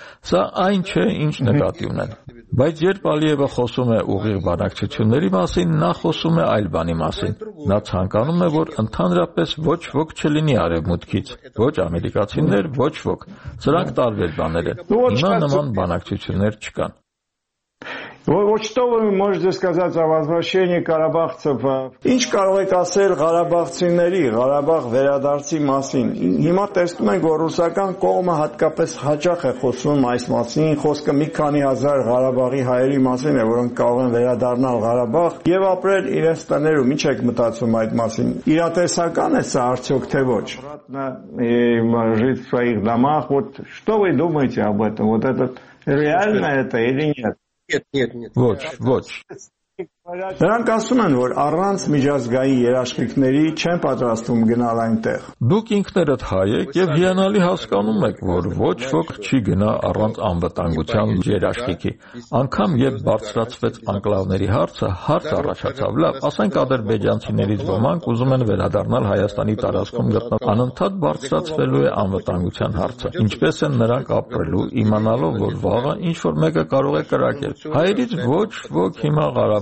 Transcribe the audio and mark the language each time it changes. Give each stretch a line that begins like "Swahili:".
Armenian: Սա այն չէ, ինչ նկատի ունեն։ Բայց երբ Ալիևը խոսում է ուղիղ բանակցությունների մասին, նա խոսում է այլ բանի մասին։ Նա ցանկանում է, որ ընդհանրապես ոչ ոք չլինի արևմուտքից, ոչ ամերիկացիներ, ոչ ոք։ Սրանք տարբեր բաներ են։ Հիմա նման բանակցություններ չկան։
Russian: Вот что вы можете сказать о возвращении карабахцев?
Armenian: Ինչ կարող եք ասել Ղարաբաղցիների, Ղարաբաղ վերադարձի մասին? Հիմա տեսնում ենք, որ ռուսական կողմը հատկապես հաճախ է խոսում այս մասին, խոսքը մի քանի հազար Ղարաբաղի հայերի մասին է, որոնք կարող են վերադառնալ Ղարաբաղ եւ ապրել իրենց տներում։ Ինչ եք մտածում այդ մասին? Իրատեսական է սա արդյոք թե ոչ?
Russian: Вот что вы думаете об этом? Вот это реально это или нет?
Armenian: Ոչ։ Նրանք ասում են, որ առանց միջազգային երաշխիքների չեն պատրաստվում գնալ այնտեղ։ Դուք ինքներդ հայ եք և հիանալի հասկանում եք, որ ոչ ոք չի գնա առանց անվտանգության երաշխիքի։ Անգամ երբ բարձրացվեց անկլավների հարցը, հարց առաջացավ, լավ, ասենք ադրբեջանցիներից ոմանք ուզում են վերադառնալ Հայաստանի տարածքում գտնվող, անընդհատ բարձրացվելու է անվտանգության հարցը, ինչպես են նրանք ապրելու, իմանալով, որ վաղը ինչ-որ մեկը կարող է կրակել։ Հայերից ոչ ոք հիմա Ղարաբաղ